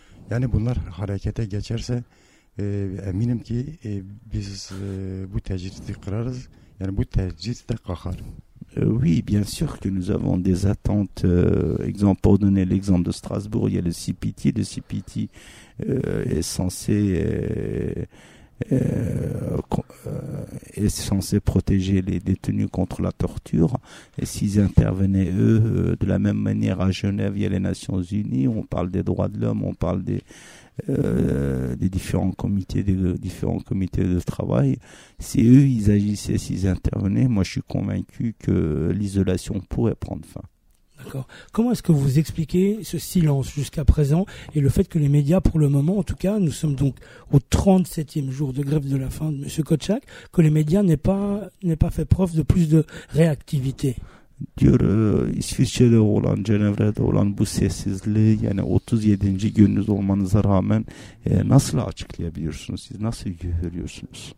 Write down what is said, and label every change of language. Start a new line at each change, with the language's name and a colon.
Turkish: Yani bunlar harekete geçerse eminim ki biz bu tecridi kırarız. Yani bu tecrid de kalkar.
French: Oui, bien sûr que nous avons des attentes. Exemple, pour donner l'exemple de Strasbourg, il y a le CPT. Le CPT est censé est censé protéger les détenus contre la torture. Et s'ils intervenaient, eux, de la même manière à Genève, il y a les Nations Unies, on parle des droits de l'homme, on parle des différents comités de travail. Si eux, ils agissaient, s'ils intervenaient, moi, je suis convaincu que l'isolation pourrait prendre fin. D'accord. Comment est-ce que vous expliquez ce silence jusqu'à présent et le fait que les médias, pour le moment, en tout cas, nous sommes donc au 37e jour de grève de la faim de M. Kotchak, que les médias n'aient pas fait preuve de plus de réactivité?
Turkish: Diyor İsviçre'de olan, Cenevre'de olan bu sessizliği yani 37. gününüz olmanıza rağmen nasıl açıklayabiliyorsunuz? Siz nasıl görüyorsunuz?